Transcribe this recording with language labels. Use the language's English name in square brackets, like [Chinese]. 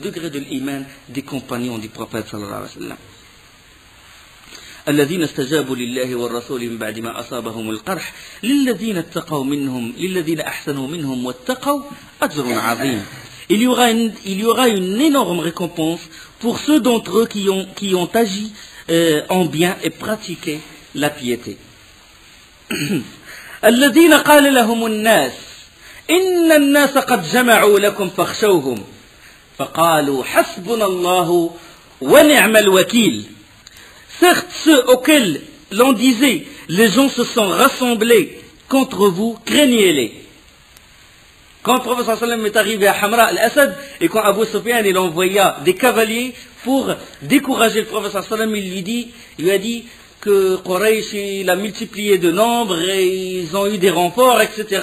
[French] de l'iman des compagnons du prophète [Arabic] صلى الله عليه وسلم الذين استجابوا لله والرسول من بعد ما أصابهم القرح للذين اتقوا منهم للذين أحسنوا منهم واتقوا أجر عظيم [French] il y aura une énorme récompense pour ceux d'entre eux qui ont agi en bien et pratiquer la piété. [Arabic] الذين قال لهم الناس إن الناس قد جمعوا لكم فخشوهم فقالوا حسبنا الله ونعم الوكيل. [French] Certes ceux auxquels l'on disait les gens se sont rassemblés contre vous craignez-les. Quand le prophète sallam est arrivé à Hamra al-Asad et quand Abu Sufyan il envoya des cavaliers pour décourager le prophète sallam, il lui a dit que Quraysh il a multiplié de nombres et ils ont eu des renforts, etc.